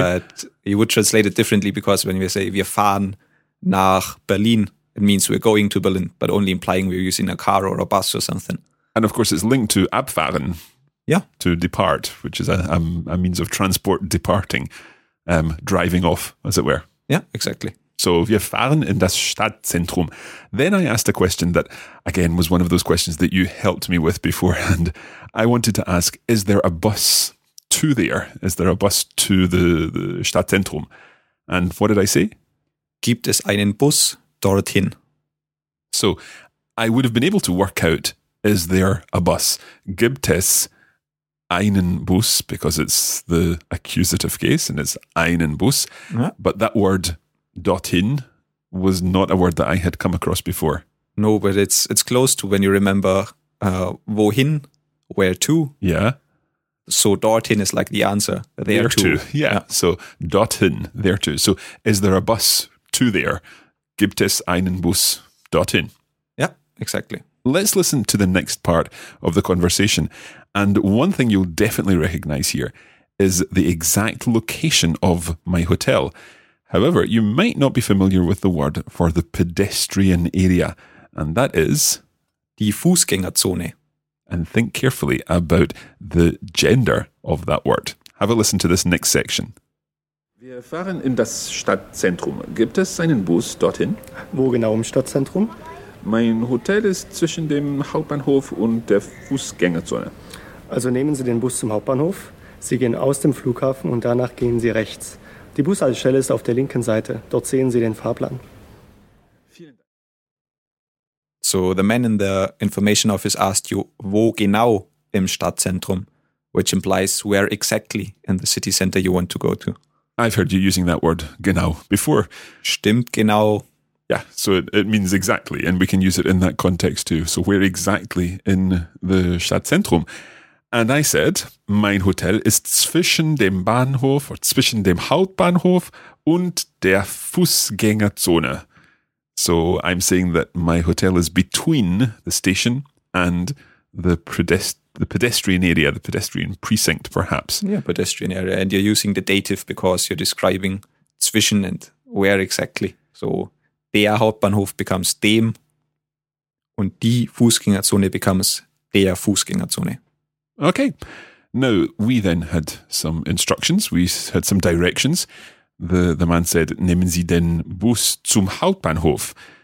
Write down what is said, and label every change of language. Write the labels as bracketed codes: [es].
[en] But you would translate it differently, because when we say, [de] wir fahren nach Berlin, [en] it means we're going to Berlin, but only implying we're using a car or a bus or something. And of course, it's linked to abfahren, yeah, to depart, which is a means of transport departing, driving off, as it were. Yeah, exactly. [de] So wir fahren in das Stadtzentrum. [en] Then I asked a question that, again, was one of those questions that you helped me with beforehand. I wanted to ask, is there a bus to there? Is there a bus to the Stadtzentrum? And what did I say? [de] Gibt es einen Bus dorthin? [en] So I would have been able to work out, is there a bus? [de] Gibt es einen Bus? [en] Because it's the accusative case and it's einen Bus. Yeah. But that word dorthin was not a word that I had come across before. No, but it's close to when you remember wohin, where to. Yeah. So dorthin is like the answer. There to. Yeah. So dorthin, there to. So is there a bus to there? [de] Gibt es einen Bus dorthin? [en] Yeah, exactly. Let's listen to the next part of the conversation. And one thing you'll definitely recognize here is the exact location of my hotel. However, you might not be familiar with the word for the pedestrian area, and that is [de] die Fußgängerzone. [en] And think carefully about the gender of that word. Have a listen to this next section. [de] Wir fahren in das Stadtzentrum. Gibt es einen Bus dorthin? Wo genau im Stadtzentrum? Mein Hotel ist zwischen dem Hauptbahnhof und der Fußgängerzone. Also nehmen Sie den Bus zum Hauptbahnhof. Sie gehen aus dem Flughafen und danach gehen Sie rechts. Die Bushaltestelle ist auf der linken Seite. Dort sehen Sie den Fahrplan. Vielen Dank. [en] So the man in the information office asked you, [de] wo genau im Stadtzentrum, [en] which implies where exactly in the city center you want to go to. I've heard you using that word genau before. [de] Stimmt genau. [en] Yeah, so it means exactly, and we can use it in that context too. So where exactly in the Stadtzentrum? And I said, [de] mein Hotel ist zwischen dem Bahnhof [en] or [de] zwischen dem Hauptbahnhof und der Fußgängerzone. [en] So I'm saying that my hotel is between the station and the pedestrian area, the pedestrian precinct, perhaps. Yeah, pedestrian area. And you're using the dative because you're describing zwischen and where exactly. So [de] der Hauptbahnhof [en] becomes [de] dem und die Fußgängerzone becomes der Fußgängerzone. [en] Okay. Now, we then had some instructions. We had some directions. The man said, [de] nehmen Sie den Bus zum Hauptbahnhof.